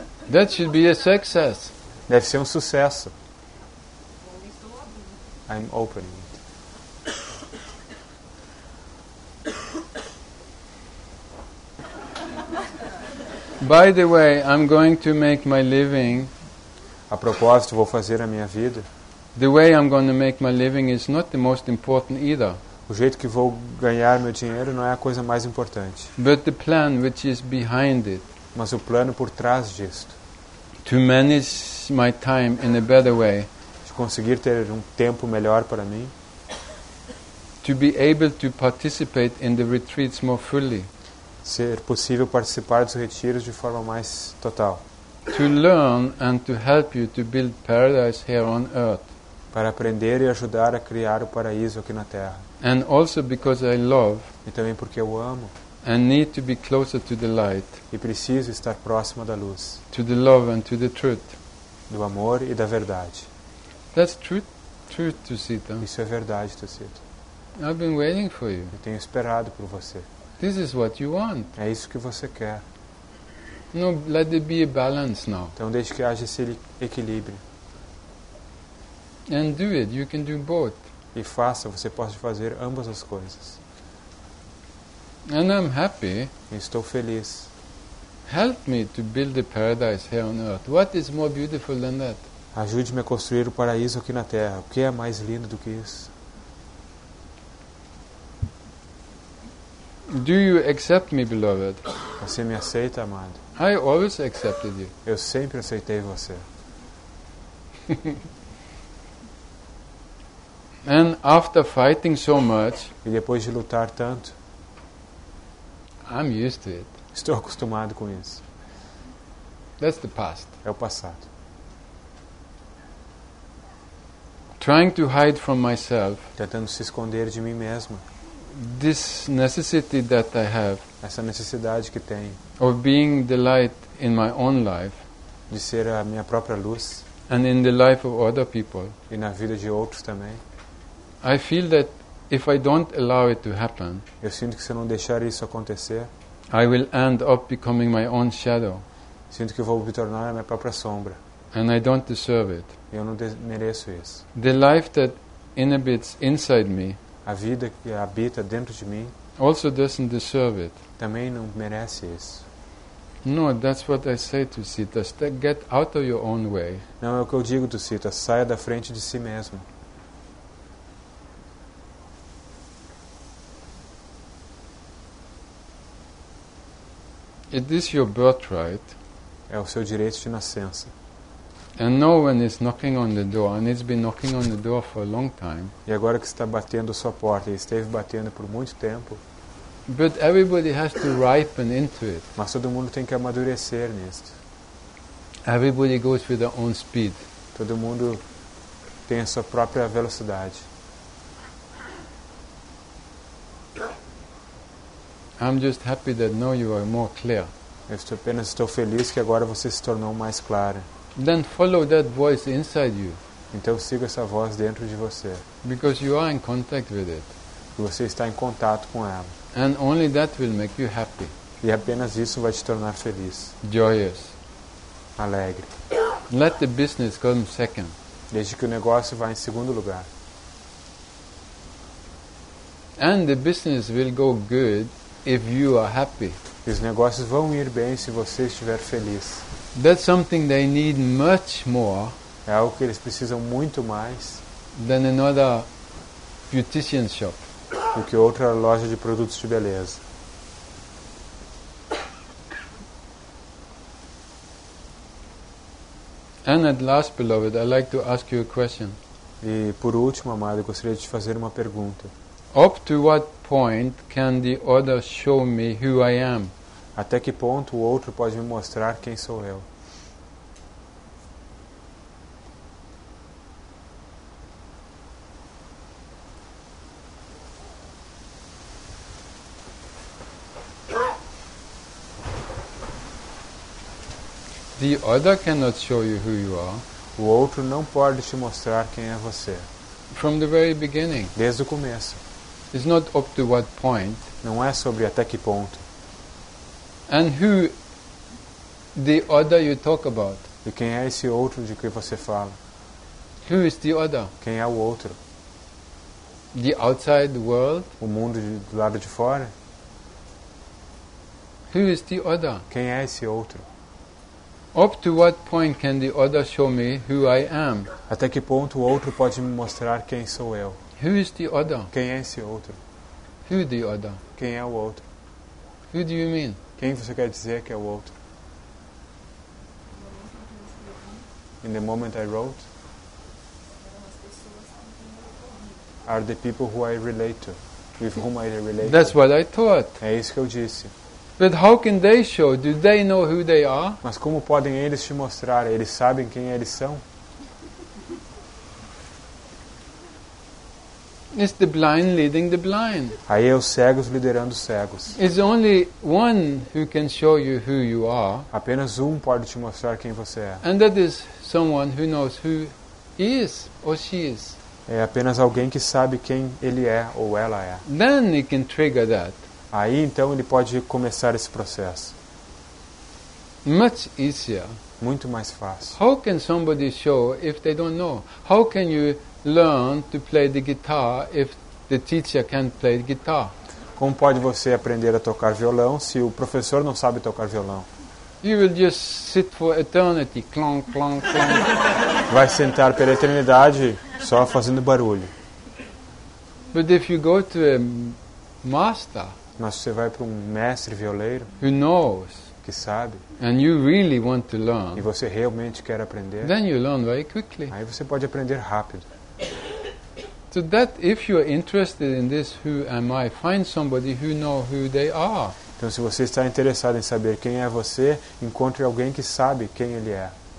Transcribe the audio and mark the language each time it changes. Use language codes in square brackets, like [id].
[en] That should be a success. [pt] Deve ser sucesso. [en] I'm opening it. By the way, I'm going to make my living. [pt] A propósito, vou fazer a minha vida. [en] The way I'm going to make my living is not the most important either. [pt] O jeito que vou ganhar meu dinheiro não é a coisa mais importante. [en] But the plan which is behind it. [pt] Mas o plano por trás disto. [en] To manage my time in a better way. [pt] De conseguir ter tempo melhor para mim. [en] To be able to participate in the retreats more fully. [pt] Ser possível participar dos retiros de forma mais total. [en] To learn and to help you to build paradise here on earth. [pt] Para aprender e ajudar a criar o paraíso aqui na Terra. [en] And also because I love. [pt] E também porque eu amo. [en] And need to be closer to the light. [pt] E preciso estar próximo da luz. [en] To the love and to the truth. [pt] do amor e da verdade. [en] That's truth, Tucita. [pt] Isso é verdade, Tucita. [en] I've been waiting for you. [pt] Eu tenho esperado por você. [en] This is what you want. [pt] É isso que você quer. [en] No, let there be a balance now. [pt] Então deixe que haja esse equilíbrio. [en] And do it. You can do both. [pt] E faça, você pode fazer ambas as coisas. [en] And I'm happy. [pt] Estou feliz. [en] Help me to build a paradise here on earth. What is more beautiful than that? [pt] Ajude-me a construir o paraíso aqui na Terra. O que é mais lindo do que isso? [en] Do you accept me, beloved? [pt] Você me aceita, amado? [en] I always accepted you. [pt] Eu sempre aceitei você. [en] And after fighting so much, [pt] e depois de lutar tanto, [en] I'm used to it. [pt] Estou acostumado com isso. [en] That's the past. [pt] É o passado. [en] Trying to hide from myself, [pt] tentando se esconder de mim mesmo. [en] This necessity that I have, [pt] essa necessidade que tenho, [en] of being the light in my own life, [pt] de ser a minha própria luz, [en] and in the life of other people, [pt] e na vida de outros também. [en] I feel that if I don't allow it to happen, [pt] eu sinto que se eu não deixar isso acontecer, [en] I will end up becoming my own shadow. [pt] Sinto que eu vou me tornar a minha própria sombra. [en] And I don't deserve it. [pt] Eu não mereço isso. [en] The life that inhabits inside me, [pt] a vida que habita dentro de mim, [en] also doesn't deserve it. [pt] Também não merece isso. [en] No, that's what I say to Sita. Get out of your own way. [pt] Não, é o que eu digo, Sita. Saia da frente de si mesmo. [en] It is your birthright. [pt] É o seu direito de nascença. [en] And no one is knocking on the door, and it's been knocking on the door for a long time. [pt] E agora que está batendo a sua porta, e esteve batendo por muito tempo. [en] But everybody has to ripen into it. [pt] Mas todo mundo tem que amadurecer nisto. [en] Everybody goes with their own speed. [pt] Todo mundo tem a sua própria velocidade. [en] I'm just happy that now you are more clear. [pt] Eu estou feliz que agora você se tornou mais clara. [en] Then follow that voice inside you. [pt] Então siga essa voz dentro de você. [en] Because you are in contact with it. [pt] Você está em contato com ela. [en] And only that will make you happy. [pt] E apenas isso vai te tornar feliz. [en] Joyous. [pt] Alegre. [en] Let the business come second. [pt] Deixe que o negócio vá em segundo lugar. [en] And the business will go good if you are happy. [pt] Os negócios vão ir bem se você estiver feliz. [en] That's something they need much more. [pt] É algo que eles precisam muito mais. [en] Than another beautician shop. [pt] Do que outra loja de produtos de beleza. [en] And at last, beloved, I'd like to ask you a question. [pt] E por último, amado, eu gostaria de te fazer uma pergunta. [en] Up to what point can the other show me who I am? [pt] Até que ponto o outro pode me mostrar quem sou eu? [en] The other cannot show you who you are. [pt] O outro não pode te mostrar quem é você. [en] From the very beginning. [pt] Desde o começo. [en] It's not up to what point. [pt] Não é sobre até que ponto. [en] And who the other you talk about? [pt] E quem é esse outro de que você fala? [en] Who is the other? [pt] Quem é o outro? [en] The outside world? [pt] O mundo do lado de fora? [en] Who is the other? [pt] Quem é esse outro? [en] Up to what point can the other show me who I am? [pt] Até que ponto o outro pode me mostrar quem sou eu? [en] Who is the other? [pt] Quem é esse outro? [en] Who the other? [pt] Quem é o outro? [en] Who do you mean? [pt] Quem você quer dizer que é o outro? [en] In the moment I wrote, are the people who I relate to, with whom I relate. That's what I thought. [pt] É isso que eu disse. [en] But how can they show? Do they know who they are? [pt] Mas como podem eles te mostrar? Eles sabem quem eles são? [en] It's the blind leading the blind. [pt] Aí é os cegos liderando os cegos. [en] It's only one who can show you who you are. [pt] Apenas um pode te mostrar quem você é. [en] And that is someone who knows who is or she is. [pt] É apenas alguém que sabe quem ele é ou ela é. [en] Then he can trigger that. [pt] Aí então ele pode começar esse processo. [en] Much easier. [pt] Muito mais fácil. [en] How can somebody show if they don't know? How can you learn to play the guitar if the teacher can't play the guitar? [pt] Como pode você aprender a tocar violão se o professor não sabe tocar violão? [en] You will just sit for eternity, clong, clong, clong. [pt] Vai sentar pela eternidade só fazendo barulho. [en] But if you go to a master, [pt] mas se você vai para um mestre violeiro, [en] who knows, [pt] que sabe, [en] and you really want to learn, [pt] e você realmente quer aprender, [en] then you learn very quickly. [pt] Aí você pode aprender rápido. [en] So that if you are interested in this, who am I? Find somebody who knows who they are. [pt] Então, se você está interessado em saber quem é você, encontre alguém que sabe quem ele é.